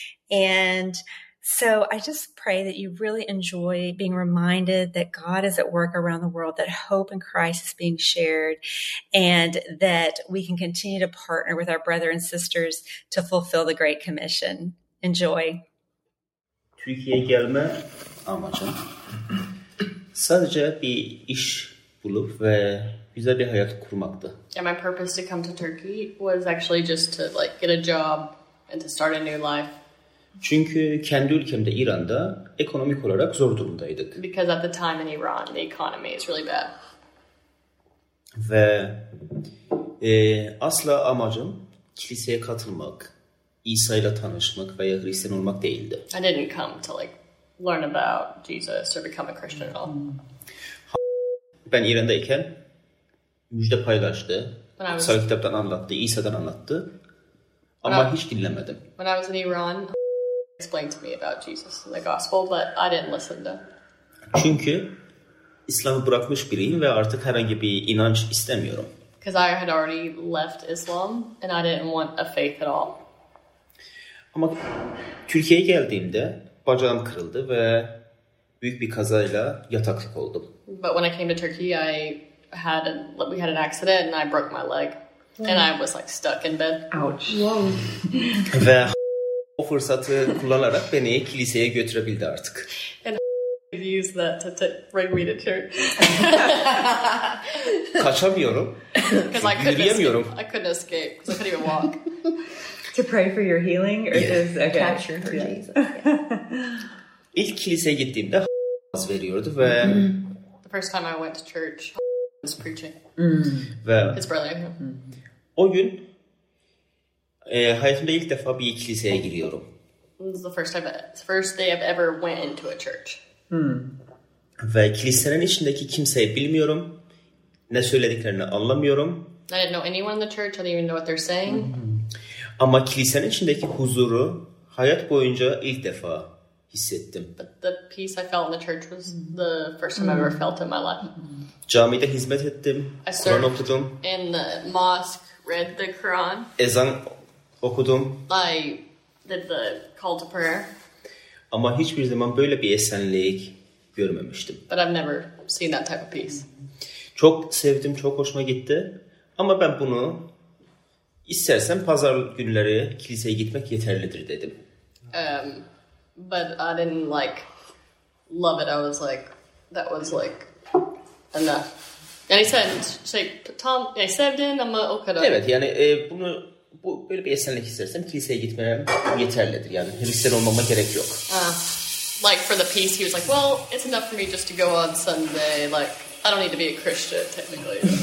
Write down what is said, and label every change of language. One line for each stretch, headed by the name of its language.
English: And so I just pray that you really enjoy being reminded that God is at work around the world, that hope in Christ is being shared, and that we can continue to partner with our brother and sisters to fulfill the Great Commission. Enjoy.
Turkish: Türkiye gelme amacım sadece bir iş bulup ve güzel bir hayat kurmaktı.
English: And my purpose to come to Turkey was actually just to like get a job and to start a new life.
Turkish: Çünkü kendi ülkemde İran'da ekonomik olarak zor durumdaydık.
English: Because at the time in Iran, the economy is really bad.
Turkish: Ve asla amacım kiliseye katılmak, İsa ile tanışmak veya Hristiyan olmak değildi.
English: I didn't come to like learn about Jesus or become a Christian at all.
Turkish: Ben İran'dayken müjde paylaştı. Kutsal kitaptan anlattı, İsa'dan anlattı. Ama hiç dinlemedim.
English: When I was in Iran, explained to me about Jesus and the gospel, but I didn't listen to.
Turkish: Çünkü İslam'ı bırakmış biriyim ve artık herhangi bir inanç istemiyorum.
English: Because I had already left Islam and I didn't want a faith at all.
Turkish: Ama Türkiye'ye geldiğimde bacağım kırıldı ve büyük bir kazayla yataklık oldum.
English: But when I came to Turkey, we had an accident and I broke my leg. Yeah. And I was like stuck in bed. Ouch. Whoa.
Turkish: Ve o fırsatı kullanarak beni kiliseye götürebildi artık.
English: And used that to bring me to church.
Turkish: Kaçamıyorum. Yürüyemiyorum.
English: I couldn't escape because I couldn't even walk. To pray for your healing or just yeah. Okay. Capture for Jesus. Yeah.
Turkish: İlk kiliseye gittiğimde az veriyordu ve
English: the first time I went to church was preaching.
Turkish: Ve
English: it's brilliant.
Turkish: O gün hayatımda ilk defa bir kiliseye giriyorum.
English: It's the first day I've ever went into a church.
Turkish: Ve kilisenin içindeki kimseyi bilmiyorum. Ne söylediklerini anlamıyorum.
English: I didn't know anyone in the church. I didn't even know what they're saying.
Turkish: Ama kilisenin içindeki huzuru hayat boyunca ilk defa hissettim.
English: But the peace I felt in the church was the first time I ever felt in my life.
Turkish: Camide hizmet ettim.
English: I served
Turkish: okudum.
English: In the mosque, read the Quran.
Turkish: Ezan okudum.
English: I did the call to prayer.
Turkish: Ama hiçbir zaman böyle bir esenlik görmemiştim.
English: But I've never seen that type of peace.
Turkish: Çok sevdim, çok hoşuma gitti. Ama ben bunu istersen pazar günleri kiliseye gitmek yeterlidir dedim.
English: But I didn't like love it. I was like, that was like enough. And he said, "Say, Tom, I saved in. I'm okay."
Turkish: Evet, yani bunu bu böyle bir esenlik istersem kiliseye gitmem yeterlidir. Yani Hristiyan olmama gerek yok.
English: Like for the peace, he was like, well, it's enough for me just to go on Sunday. Like, I don't need to be a Christian, technically.